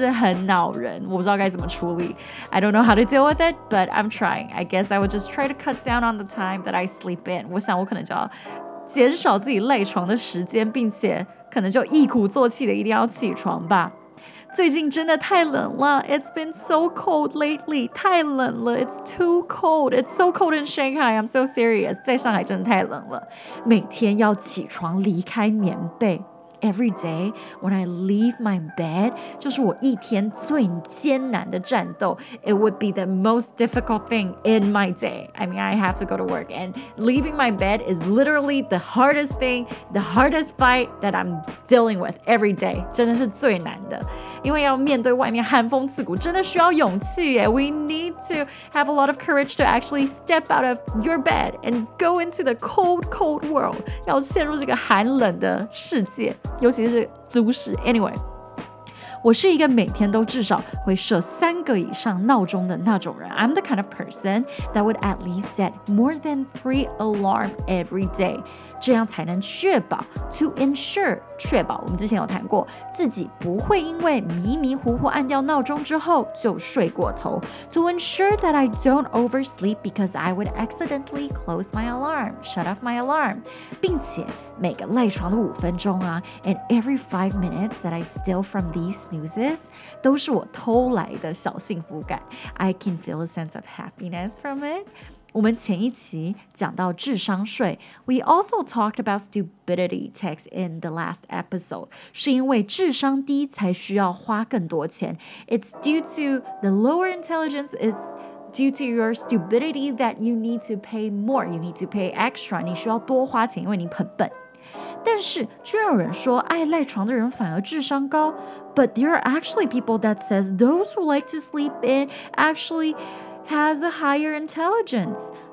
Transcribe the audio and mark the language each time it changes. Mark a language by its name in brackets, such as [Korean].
[Chinese] 所以这反而会导致我睡过头，这个真的是很恼人，我不知道该怎么处理。 [English] I don't know how to deal with it, but I'm trying. I guess I would just try to cut down on the time that I sleep in. [Chinese] 我想我可能就要减少自己赖床的时间，并且可能就忆苦作气的一定要起床吧。最近真的太冷了， [English] It's been so cold lately. [Chinese] 太冷了， [English] It's too cold. It's so cold in Shanghai. I'm so serious. [Chinese] 在上海真的太冷了，每天要起床离开棉被。 [English] every day when I leave my bed, [Chinese] 就是我一天最艰难的战斗。 [English] It would be the most difficult thing in my day. I mean, I have to go to work. And leaving my bed is literally the hardest thing, the hardest fight that I'm dealing with every day. [Chinese] 真的是最难的。因为要面对外面寒风刺骨，真的需要勇气耶。 [English] We need to have a lot of courage to actually step out of your bed and go into the cold, cold world. [Chinese] 要陷入这个寒冷的世界，尤其是都市。 Anyway, 我是一个每天都至少会设三个以上闹钟的那种人。 [English] I'm the kind of person that would at least set more than 3 alarm every day. [Chinese] 这样才能确保 [English] to ensure [Chinese] 确保，我们之前有谈过，自己不会因为迷迷糊糊按掉闹钟之后就睡过头。 [English] To ensure that I don't oversleep because I would accidentally close my alarm, shut off my alarm, [Chinese] 并且每个赖床的五分钟啊 [English] and every 5 minutes that I steal from these snoozes 都是我偷来的小幸福感。 I can feel a sense of happiness from it. [Chinese] 我们前一期讲到智商税， [English] We also talked about stupidity tax in the last episode. [Chinese] 是因为智商低才需要花更多钱。 [English] It's due to the lower intelligence is... due to your stupidity that you need to pay more, you need to pay extra, [Chinese] 你需要多花钱因为你很笨。但是居然有人说爱赖床的人反而智商高， [English] but there are actually people that says those who like to sleep in actually has a higher intelligence.